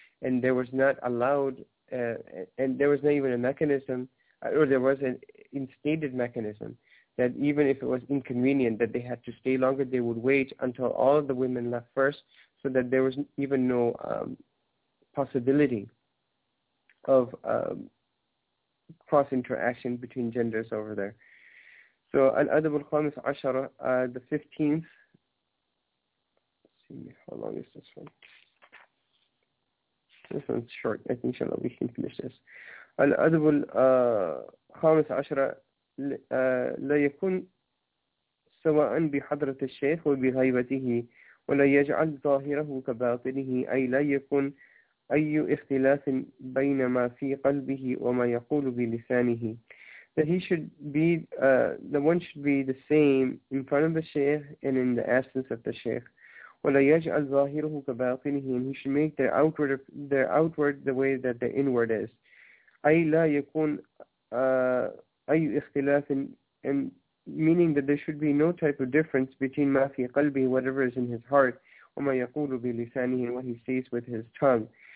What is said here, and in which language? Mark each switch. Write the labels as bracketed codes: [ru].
[en] And there was not allowed, and there was not even a mechanism, or there was an instated mechanism that even if it was inconvenient that they had to stay longer, they would wait until all of the women left first, so that there was even no possibility of cross-interaction between genders over there. So, al-Adab al-Khamis Ashara, the 15th, let's see, how long is this one? This one's short. I think, inshallah, we can finish this. [ar] الأدب الخامس عشر لا يكون سواء بحضرة الشيخ وبغيبته ولا يجعل ظاهره كباطنه أي لا يكون أي اختلاف بين ما في قلبه وما يقول بلسانه. [en] That he should be, the one should be the same in front of the sheikh and in the absence of the sheikh. [ar] وَلَا يَجْعَلْ ظَاهِرُهُ كَبَاطِنِهِ. [en] And he should make their outward the way that the inward is. [ar] أَيْ لَا يَكُونْ أَيُّ إِخْتِلَافٍ, [en] and meaning that there should be no type of difference between [ar] مَا فِي قَلْبِهِ, [en] whatever is in his heart, [ar] وَمَا يَقُولُ بِلِسَانِهِ, [en] and what he says with his tongue.